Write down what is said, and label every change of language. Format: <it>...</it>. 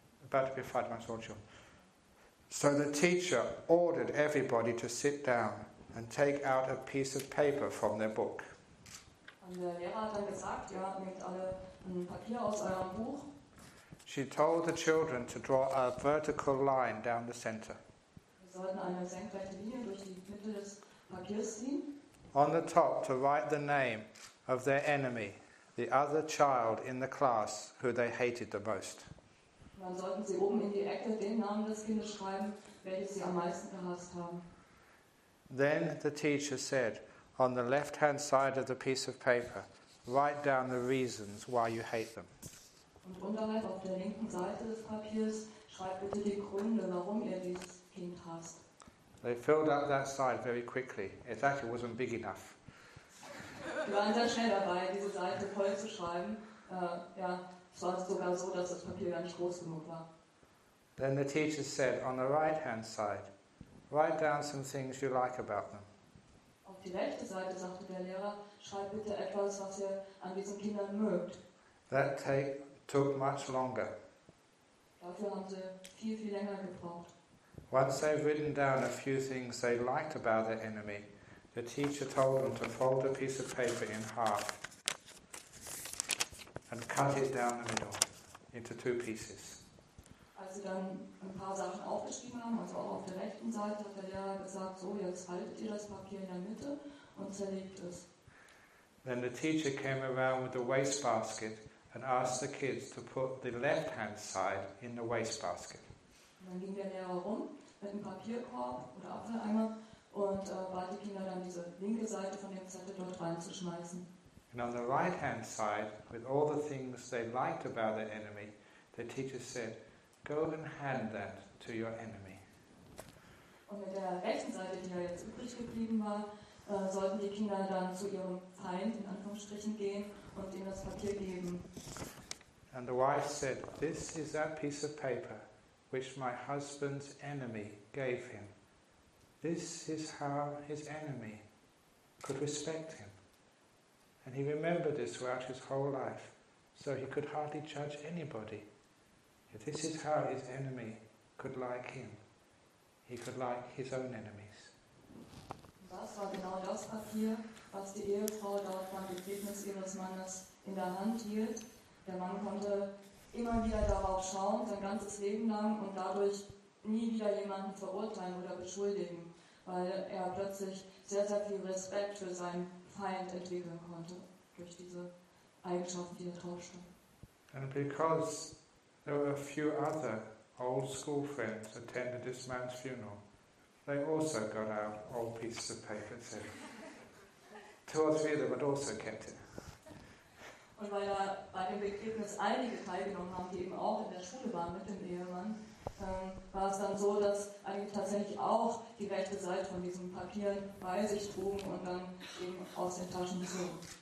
<en>about to be a fight amongst all the children. So the teacher ordered everybody to sit down and take out a piece of paper from their book.</en> <de>Und der Lehrer hat dann gesagt, ja, nehmt alle ein Papier aus eurem Buch.</de> <en>She told the children to draw a vertical line down the center.</en> <de>Wir sollten eine senkrechte Linie durch die Mitte des Papiers ziehen.</de> <en>On the top to write the name of their enemy, the other child in the class who they hated the most.</en> <de>Und dann sollten sie oben in die Ecke den Namen des Kindes schreiben, welches sie am meisten gehasst haben.</de> <en>Then the teacher said, on the left-hand side of the piece of paper, write down the reasons why you hate them.</en> <de>Und unterhalb auf der linken Seite des Papiers Schreibt bitte die Gründe, warum ihr dieses Kind hasst.</de> <en>They filled up that side very quickly. It actually wasn't big enough.</en> <de>Wir waren sehr schnell dabei, diese Seite voll zu schreiben. Ja, es war sogar so, dass das Papier gar nicht groß genug war.</de> <en>Then the teacher said, on the right hand side, write down some things you like about them.</en> <de>Auf die rechte Seite, sagte der Lehrer, schreib bitte etwas, was ihr an diesen Kindern mögt.</de> <en>That took much longer.</en> <de>Dafür haben sie viel, viel länger gebraucht.</de> <en>Once they've written down a few things they liked about their enemy, the teacher told them to fold a piece of paper in half and cut it down the middle into two pieces.</en> <de>Als sie dann ein paar Sachen aufgeschrieben haben, also auch auf der rechten Seite, hat der Lehrer gesagt, so, jetzt haltet ihr das Papier in der Mitte und zerlegt es.</de> <en>Then the teacher came around with a waste basket and asked the kids to put the left-hand side in the waste basket.</en> <de>Dann ging der Lehrer rum mit einem Papierkorb oder Apfeleimer und bat die Kinder dann, diese linke Seite von dem Zettel dort reinzuschmeißen.</de> <en>And on the right-hand side, with all the things they liked about their enemy, the teacher said, go and hand that to your enemy.</en> <de>Und mit der rechten Seite, die ja jetzt übrig geblieben war, sollten die Kinder dann zu ihrem Feind, in Anführungsstrichen, gehen und ihnen das Papier geben.</de> <en>And the wife said, this is that piece of paper which my husband's enemy gave him. This is how his enemy could respect him. And he remembered this throughout his whole life, so he could hardly judge anybody. If this is how his enemy could like him, he could like his own enemies.</en> <de>Das war genau das Papier, was die Ehefrau dort beim Begräbnis ihres Mannes in der Hand hielt. Der Mann konnte immer wieder darauf schauen, sein ganzes Leben lang, und dadurch nie wieder jemanden verurteilen oder beschuldigen, weil er plötzlich sehr, sehr viel Respekt für seinen Feind entwickeln konnte, durch diese Eigenschaften, die er tauschte.</de> <en>And because there were a few other old school friends attended this man's funeral, they also got out old pieces of paper and said, two or three of them had also kept it.</en> <de>Und weil da bei dem Begräbnis einige teilgenommen haben, die eben auch in der Schule waren mit dem Ehemann, war es dann so, dass eigentlich tatsächlich auch die rechte Seite von diesen Papieren bei sich trugen und dann eben aus den Taschen zogen.</de>